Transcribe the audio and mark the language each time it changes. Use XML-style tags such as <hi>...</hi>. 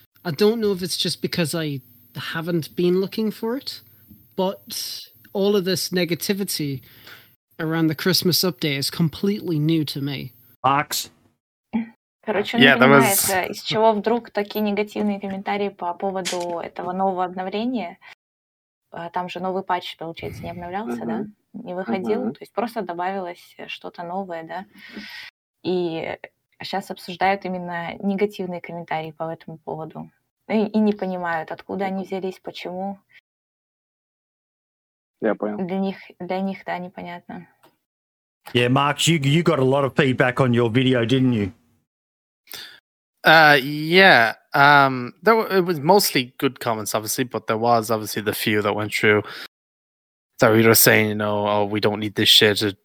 <en>I don't know if it's just because I haven't been looking for it, but all of this negativity around the Christmas update is completely new to me. Box.</en> <ru>Короче, он понимает, из чего вдруг такие негативные комментарии по поводу этого нового обновления. Там же новый патч, получается, не обновлялся, да? Не выходил. То есть просто добавилось что-то новое, да? И сейчас обсуждают именно негативные комментарии по этому поводу. И не понимают, откуда они взялись, почему. Я понял. Для них, да, непонятно.</ru> <en>Yeah, Mark, you got a lot of feedback on your video, didn't you? It was mostly good comments, obviously, but there was obviously the few that went through that we were saying, you know, oh, we don't need this shit.</en>